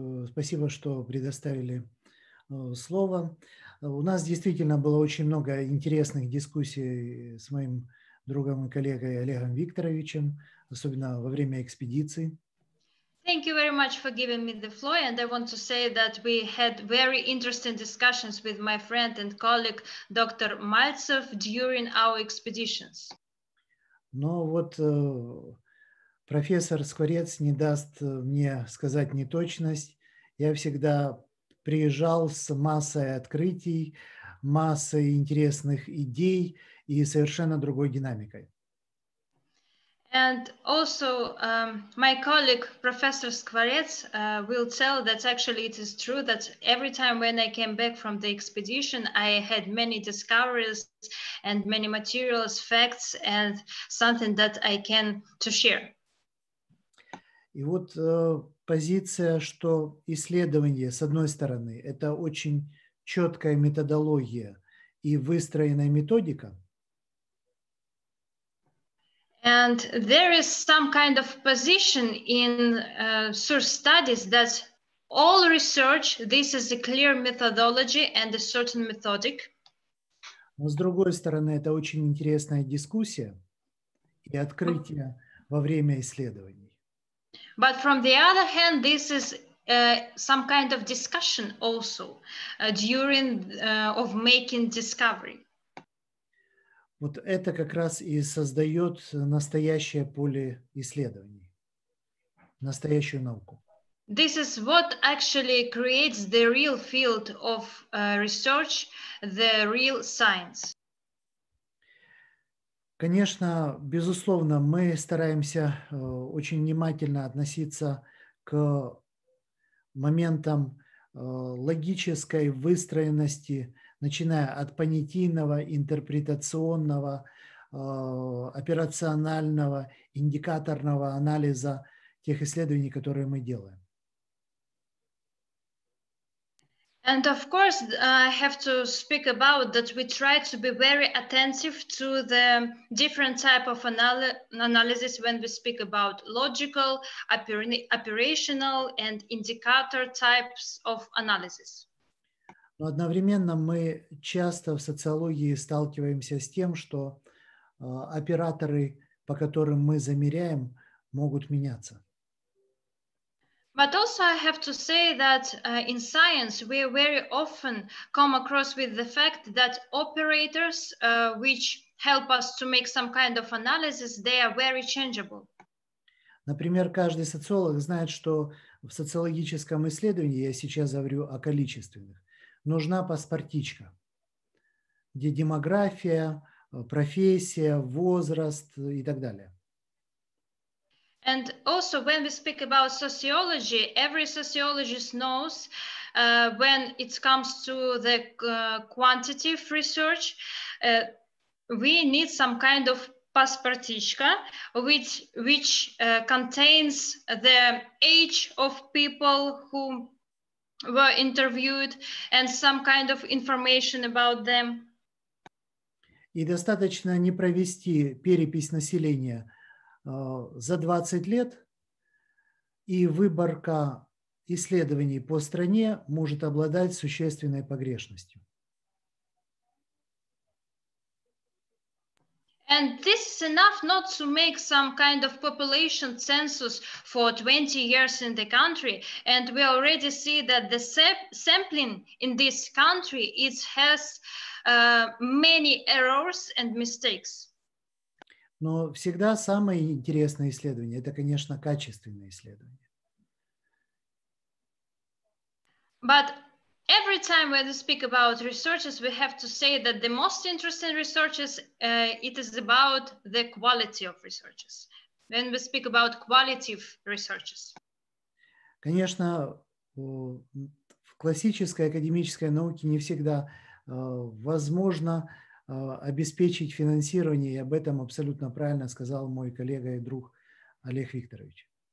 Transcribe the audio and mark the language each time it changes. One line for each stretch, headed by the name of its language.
Russian: Спасибо, что предоставили слово. У нас действительно было очень много интересных дискуссий с моим другом и коллегой Олегом Викторовичем, особенно во время экспедиции.
English: Thank you very much for giving me the floor, and I want to say that we had very interesting discussions with my friend and colleague Dr. Maltsev during our expeditions.
Russian: Но вот профессор Скворец не даст мне сказать неточность. Я всегда приезжал с массой открытий, массой интересных идей и совершенно другой динамикой.
English: And also my colleague Professor Skvorets will tell that actually it is true that every time when I came back from the expedition, I had many discoveries and many materials, facts, and something that I can to share.
Russian: И вот позиция, что исследование, с одной стороны, это очень четкая методология и выстроенная методика.
English: And there is some kind of position in source studies that all research, this is a clear methodology and a certain methodic.
Russian: Но с другой стороны, это очень интересная дискуссия и открытие во время исследований.
English: But from the other hand, this is some kind of discussion also during of making discovery.
Russian: Вот это как раз и создает настоящее поле исследований, настоящую науку.
English: This is what actually creates the real field of research, the real science.
Russian: Конечно, безусловно, мы стараемся очень внимательно относиться к моментам логической выстроенности, начиная от понятийного, интерпретационного, операционального, индикаторного анализа тех исследований, которые мы делаем.
English: And of course, I have to speak about that we try to be very attentive to the different type of analysis when we speak about logical, operational, and indicator types of analysis.
Russian: Но одновременно мы часто в социологии сталкиваемся с тем, что операторы, по которым мы замеряем, могут меняться.
English: But also I have to say that in science we very often come across with the fact that operators which help us to make some kind of analysis, they are very changeable.
Russian: Например, каждый социолог знает, что в социологическом исследовании, я сейчас говорю о количественных, нужна паспортичка, где демография, профессия, возраст и так далее.
English: And also when we speak about sociology, every sociologist knows when it comes to the quantitative research, we need some kind of паспортичка, which contains the age of people who were interviewed and some kind of information about them. И достаточно не провести перепись населения за 20 лет, и выборка исследований по стране может обладать существенной погрешностью. And this is enough not to make some kind of population census for 20 years in the country. And we already see that the sampling in this country has many errors and mistakes.
Russian: Но всегда самые интересные исследования – это, конечно, качественные исследования.
English: But every time when we speak about researches, we have to say that the most interesting researches, it is about the quality of researches. When we speak about quality of researches.
Russian: Конечно, в классической академической науке не всегда возможно обеспечить финансирование, и об этом абсолютно правильно сказал мой коллега и друг Олег Викторович.